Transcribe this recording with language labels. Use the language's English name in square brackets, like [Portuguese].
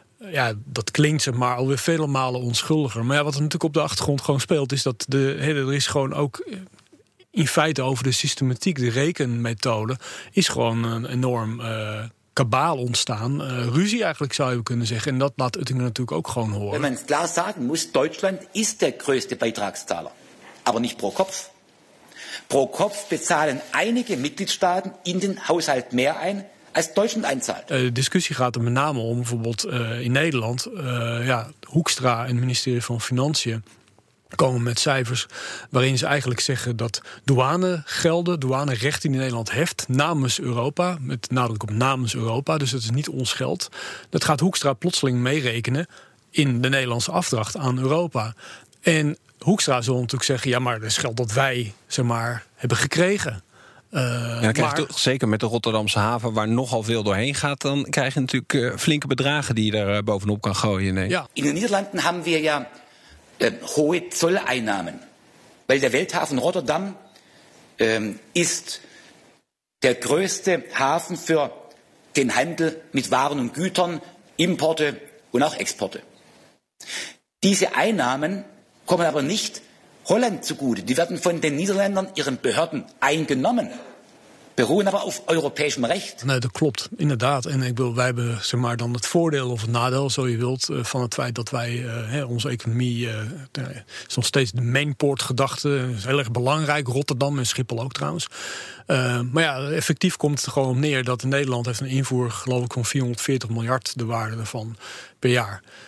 [Dutch] Ja, dat klinkt zeg maar alweer vele malen onschuldiger. Maar ja, wat er natuurlijk op de achtergrond gewoon speelt, is dat er is gewoon ook in feite over de systematiek, de rekenmethode, is gewoon een enorm kabaal ontstaan. Ruzie eigenlijk zou je kunnen zeggen. En dat laat Oettinger natuurlijk ook gewoon horen. [German] Wenn man es klar sagen muss, Deutschland ist der größte Beitragszahler. Aber nicht pro Kopf. Pro Kopf bezahlen einige Mitgliedstaaten in den Haushalt mehr ein, als Deutschland einzahlt. [Dutch] De discussie gaat er met name om, bijvoorbeeld in Nederland. Hoekstra en het ministerie van Financiën komen met cijfers waarin ze eigenlijk zeggen dat douanegelden, douanerecht in Nederland heft namens Europa, met nadruk op namens Europa, dus het is niet ons geld. Dat gaat Hoekstra plotseling meerekenen in de Nederlandse afdracht aan Europa. En Hoekstra zal natuurlijk zeggen, ja, maar dat is geld dat wij, zeg maar, hebben gekregen. Zeker met de Rotterdamse haven, waar nogal veel doorheen gaat, dan krijg je natuurlijk flinke bedragen die je daar bovenop kan gooien. Nee. Ja. In de Nederlanden hebben we [German] ja hohe Zolleinnahmen, weil der Welthafen Rotterdam ist der größte Hafen für den Handel mit Waren und Gütern, Importe und auch Exporte. Diese Einnahmen kommen aber nicht Holland zugute. Die werden von den Niederländern ihren Behörden eingenommen. Beruhen aber auf europäischem Recht. [Dutch] Nee, dat klopt, inderdaad. En ik bedoel, wij hebben zeg maar, dan het voordeel of het nadeel, zo je wilt, van het feit dat wij onze economie. Is nog steeds de mainport-gedachte. Is heel erg belangrijk, Rotterdam en Schiphol ook trouwens. Maar ja, effectief komt het er gewoon op neer dat Nederland heeft een invoer, geloof ik, van 440 miljard de waarde ervan per jaar.